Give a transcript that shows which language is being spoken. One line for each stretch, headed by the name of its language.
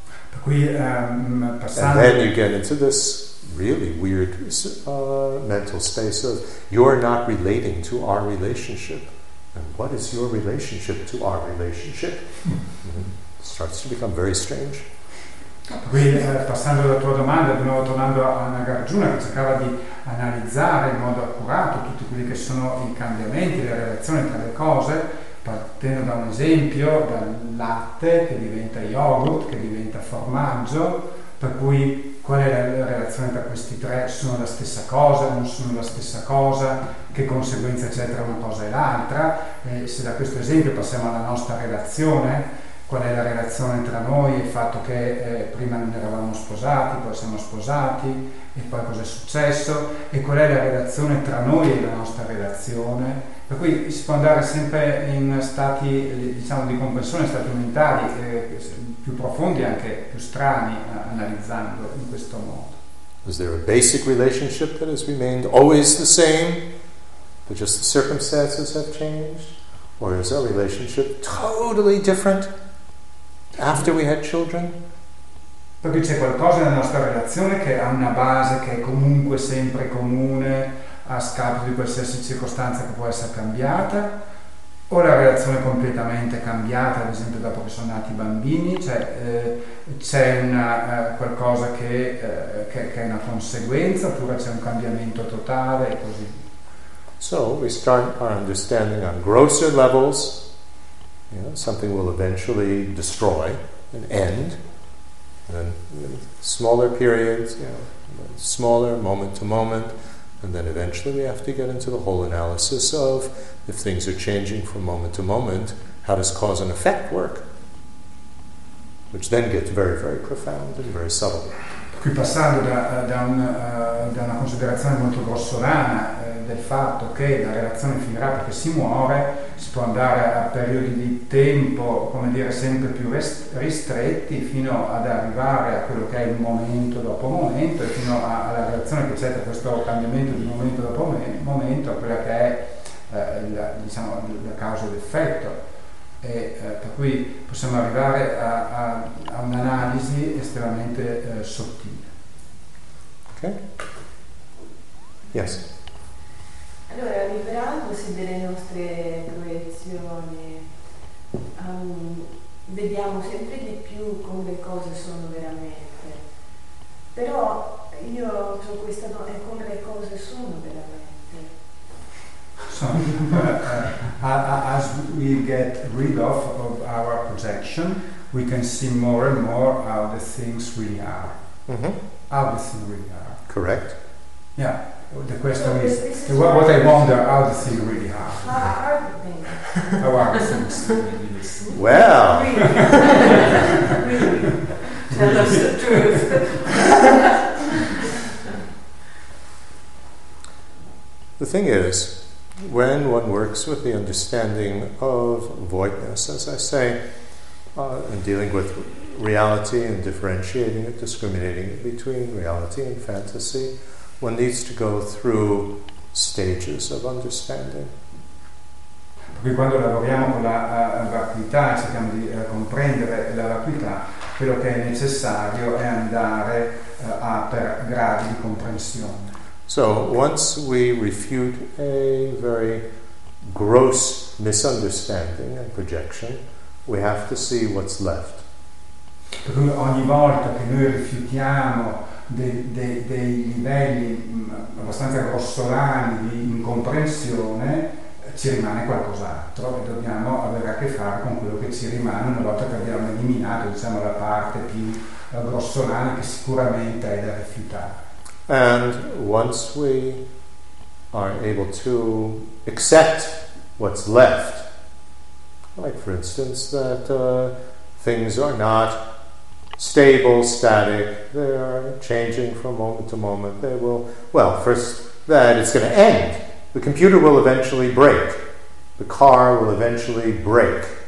Italian: Per cui,
English: and then you get into this really weird mental space of you're not relating to our relationship. And what is your relationship to our relationship? It starts to become very strange.
Italian: Per cui, passando alla tua domanda, di nuovo tornando a Nagarjuna, che cercava di analizzare in modo accurato tutti quelli che sono i cambiamenti, le relazioni tra le cose, partendo da un esempio, dal latte che diventa yogurt, che diventa formaggio, per cui qual è la relazione tra questi tre? Sono la stessa cosa, non sono la stessa cosa, che conseguenze c'è tra una cosa e l'altra? E se da questo esempio passiamo alla nostra relazione, qual è la relazione tra noi, il fatto che prima non eravamo sposati, poi siamo sposati, e poi cosa è successo, e qual è la relazione tra noi e la nostra relazione? Per cui si può andare sempre in stati, di comprensione, stati mentali più profondi, anche più strani, analizzando in questo modo.
English: Is there a basic relationship that has remained always the same, but just the circumstances have changed? Or is our relationship totally different after we had children?
Italian: Per cui c'è qualcosa nella nostra relazione che ha una base che è comunque sempre comune, a scapito di qualsiasi circostanza che può essere cambiata, o la relazione è completamente cambiata, ad esempio dopo che sono nati i bambini, cioè c'è una qualcosa che è una conseguenza, oppure c'è un cambiamento totale e così.
English: So we start our understanding on grosser levels, something will eventually destroy and end, and smaller periods, smaller moment to moment. And then eventually we have to get into the whole analysis of if things are changing from moment to moment, how does cause and effect work? Which then gets very, very profound and very subtle.
Italian: Qui passando da una considerazione molto grossolana del fatto che la relazione finirà perché si muore, si può andare a periodi di tempo, sempre più ristretti fino ad arrivare a quello che è il momento dopo momento e fino alla relazione che c'è tra questo cambiamento di momento dopo momento, a quella che è la causa ed effetto. Per cui possiamo arrivare a un'analisi estremamente sottile.
English: Ok? Yes.
Italian: Allora, liberandosi delle nostre proiezioni, vediamo sempre di più come le cose sono veramente. Però io ho questa domanda, è come le cose sono veramente.
English: So, as we get rid of our projection, we can see more and more how the things really are. Mm-hmm. How the things really are. Correct. Yeah. The question is, what I wonder, how the things really are. How are the things? How are the things? Well. Tell us the truth. The thing is, when one works with the understanding of voidness, as I say, and dealing with reality and differentiating it, discriminating it between reality and fantasy, one needs to go through stages of understanding.
Italian: Perché quando lavoriamo con la vacuità, cerchiamo di comprendere la vacuità, quello che è necessario è andare a per gradi di comprensione.
English: So, once we refute a very gross misunderstanding and projection, we have to see what's left.
Italian: Ogni volta che noi rifiutiamo dei livelli abbastanza grossolani di incomprensione, ci rimane qualcos'altro e dobbiamo avere a che fare con quello che ci rimane una volta che abbiamo eliminato, diciamo, la parte più grossolana che sicuramente è da rifiutare.
English: And once we are able to accept what's left, like for instance that things are not stable, static, they are changing from moment to moment, they will, well, first that it's going to end, the computer will eventually break, the car will eventually break,